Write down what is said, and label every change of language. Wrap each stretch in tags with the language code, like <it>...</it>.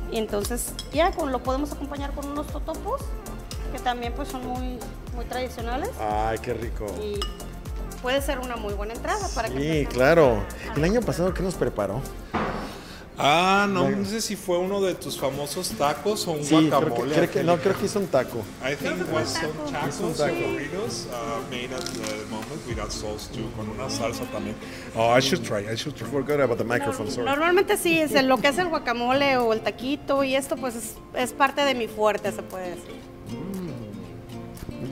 <es>Y entonces ya lo podemos acompañar con unos totopos, que también pues son muy, muy tradicionales. Ay, qué rico. Y puede ser una muy buena entrada para que. Sí, claro. El año pasado, ¿qué nos preparó? Ah, no, bueno. No sé si fue uno de tus famosos tacos o un guacamole. Creo que hizo un taco.</es> <en>I think it was some tacos, burritos made at the moment with a sauce too,</en> <es>con una salsa también.</es> <en>Oh, I should try. Forgot about the microphone, sorry.</en> <es>Normalmente sí, es lo que es el guacamole o el taquito y esto pues es parte de mi fuerte, se puede decir.</es>